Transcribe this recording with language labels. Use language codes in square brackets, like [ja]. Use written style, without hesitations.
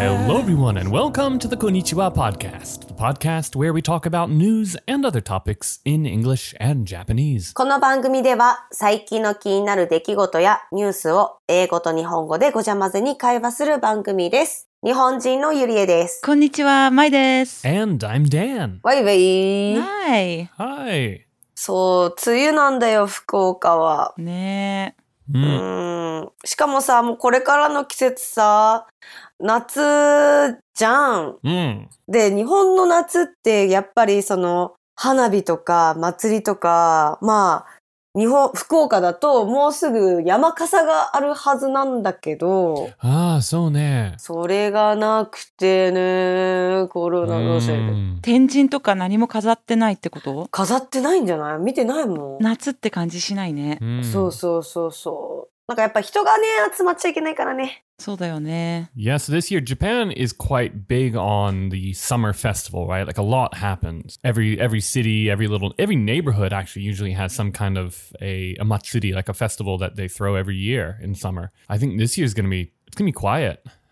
[en] Hello, everyone, and welcome to the Konnichiwa Podcast, the podcast where we talk about news and other topics in English and Japanese. [ja] この番組では最近の気になる出来事やニュースを英語と日本語でごちゃ混ぜに会話する番組です。日本人のゆりえです。こんにちは、まいです。 [en] And I'm Dan. [ja] わいわい。 [en] Hi. Hi. [ja] そう、梅雨なんだよ、福岡は。ねえ。しかもさ、もうこれからの季節さ、夏じゃん。うん。で、日本の夏ってやっぱりその、花火とか祭りとか、まあ、日本、福岡だともうすぐ山笠があるはずなんだけど。ああ、そうね。それがなくてね、コロナのせいで。天神とか何も飾ってないってこと？飾ってないんじゃない？見てないもん。夏って感じしないね。そうそうそうそう。なんかやっぱ人がね、集まっちゃいけないからね。そうだよね。 [en] Yeah, so this year Japan is quite big on the summer festival, right? Like a lot happens. Every city, every neighborhood actually usually has some kind of a matsuri, like a festival that they throw every year in summer. I think this year is going to be, it's going to be quiet.